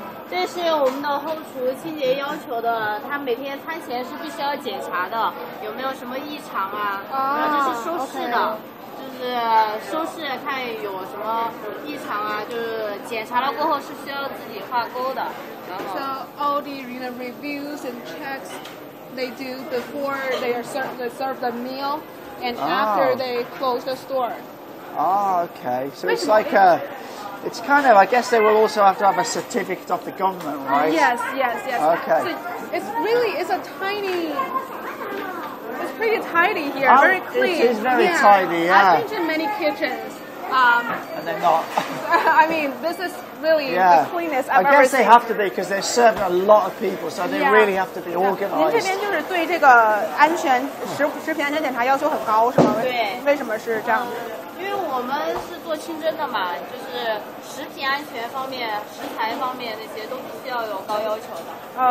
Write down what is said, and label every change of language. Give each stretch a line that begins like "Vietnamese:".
Chinese: 这是我们的后厨清洁要求的，他每天餐前是必须要检查的，有没有什么异常啊？
English: Oh,
Chinese: 然后这是收拾的。
English: Okay.
Chinese: 就是收拾看有什么异常啊，就是检查了过后是需要自己画勾的。
English: So all the you know, reviews and checks they do before they are serve the meal and、 oh. after they close the store. Oh, okay. So it's like a, it's kind of, I guess they will also have to have a certificate of the government, right? Yes, yes, yes. Okay. So it's really, it's a tiny... Pretty tidy here,、 oh, very clean. It is very、 yeah. tidy, yeah. I've been to many kitchens.、 and they're not. I mean, this is really、 yeah. the cleanest I've ever seen. I guess they have to be because they're serving a lot of people, so they、 yeah. really have to be organized.
Chinese: 您这边就是对这个安全、食品安全检查要求很高是吗？对。为什么是这样、因为我们是做清真的嘛，就是食品安全方面、食材方面那些都是要有高要求的。